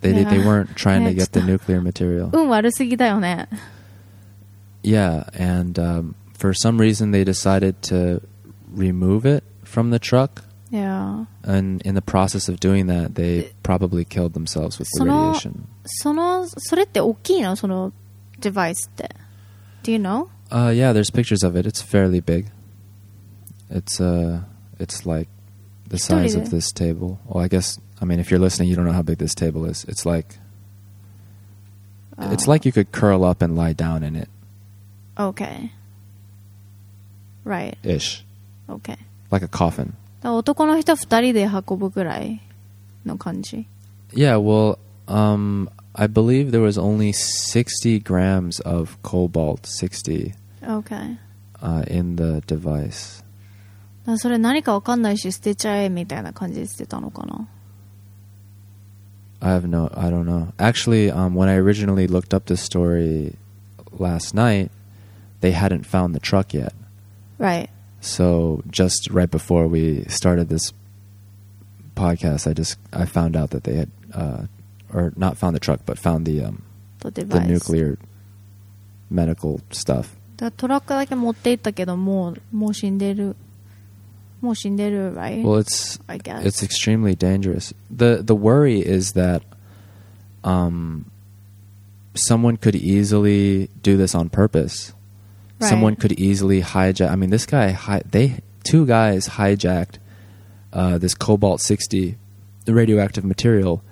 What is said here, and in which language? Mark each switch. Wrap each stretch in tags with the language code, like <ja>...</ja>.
<en>They, yeah. they weren't trying to get the nuclear material.</en> <ja>運悪すぎだよね。</ja> <en>Yeah, and for some reason they decided to remove it from the truck. Yeah. And in the process of doing that, they probably killed themselves with the radiation.</en> <ja>それって大きいの？そのデバイスって。</ja> <en>Do you know? Yeah, there's pictures of it. It's fairly big. It's like the size of this table. Well, I guess, I mean, if you're listening, you don't know how big this table is. It's like, it's like you could curl up and lie down in it. Okay. Right. Ish. Okay. Like a coffin.</en> <ja>男の人二人で運ぶぐらいの感じ。</ja> <en>Yeah, well, I believe there was only 60 grams of cobalt, 60. Okay. In the device.</en> <ja>それ何か分かんないし捨てちゃえみたいな感じで捨てたのかな。</ja> <en>I have no, I don't know. Actually, when I originally looked up this story last night, they hadn't found the truck yet. Right. So just right before we started this podcast, I found out that they had, or not found the truck, but found the nuclear medical stuff.</en> <ja>トラックだけ持って行ったけど、もう死んでる。もう死んでる、right?</ja> <en>Well, it's, I guess. It's extremely dangerous. The worry is that someone could easily do this on purpose. Right. Someone could easily hijack. I mean, this guy, two guys hijacked this cobalt 60, the radioactive material,</en>